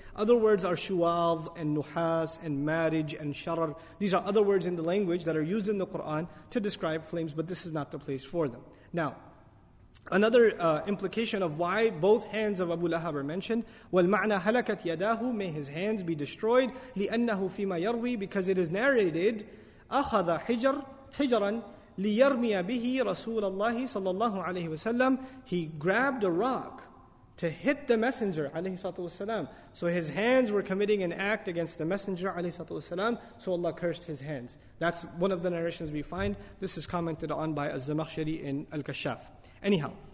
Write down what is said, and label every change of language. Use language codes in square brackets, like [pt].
[en] Other words are shuwaz and nuhas and marij and sharar. These are other words in the language that are used in the Quran to describe flames, but this is not the place for them. Now, another implication of why both hands of Abu Lahab are mentioned, [ar] وَالْمَعْنَى هَلَكَتْ يَدَاهُ. [en] May his hands be destroyed. [ar] لِأَنَّهُ فِيمَا يَرْوِي. [en] Because it is narrated, [ar] أخذ حجر حجرا ليرمي به رسول الله صلى الله عليه وسلم. [en] He grabbed a rock to hit the messenger [ar] عليه الصلاة والسلام. [en] So his hands were committing an act against the messenger [ar] عليه الصلاة والسلام. [en] So Allah cursed his hands. That's one of the narrations we find. This is commented on by Az-Zamakhshari in Al-Kashaf. Anyhow,